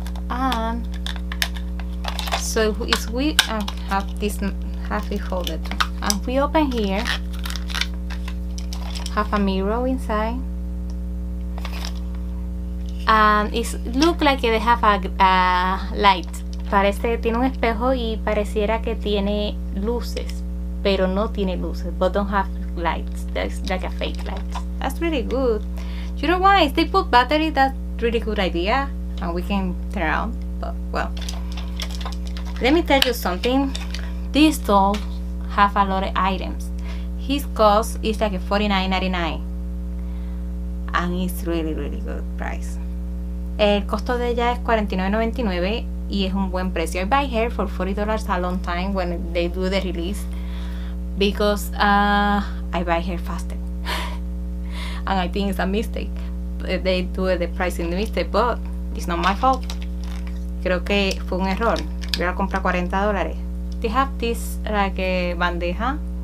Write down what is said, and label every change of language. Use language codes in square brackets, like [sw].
[en] And so it's we have this happy holder too. And we open here. Have a mirror inside. And it look like they have a light. [es] Parece tiene un espejo y pareciera que tiene luces. Pero no tiene luces, [en] but don't have lights. That's like a fake light. That's really good. You know why? If they put battery, that's really good idea. And we can turn around. But well, let me tell you something. This doll have a lot of items. His cost is like $49.99. And it's really, really good price. [es] El costo de ella es $49.99 y es un buen precio. [en] I buy her for $40 a long time when they do the release. Because I buy hair faster and I think it's a mistake. They do the pricing mistake, but it's not my fault. [es] Creo que fue un error. Yo la compré a $40. [en] They have this like [es] bandeja.